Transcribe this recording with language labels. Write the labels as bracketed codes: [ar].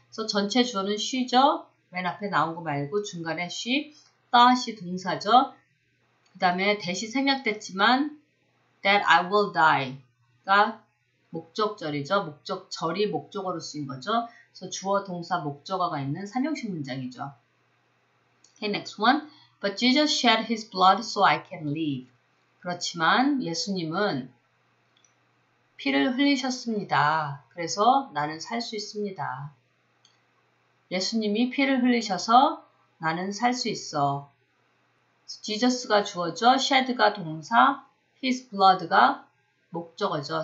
[ko] 그래서 전체 주어는 she죠. 맨 앞에 나온 거 말고 중간에 she, thought이 동사죠. 그 다음에 대시 생략됐지만 [en] that I will die [ko] 가 목적절이죠. 목적절이 목적어로 쓰인 거죠. 그래서 주어, 동사, 목적어가 있는 삼형식 문장이죠. [en] Okay, next one. But Jesus shed his blood so I can live. [ko] 그렇지만 예수님은 피를 흘리셨습니다. 그래서 나는 살 수 있습니다. 예수님이 피를 흘리셔서 나는 살 수 있어. Jesus가 주어죠. shed가 동사, his blood가 목적어죠.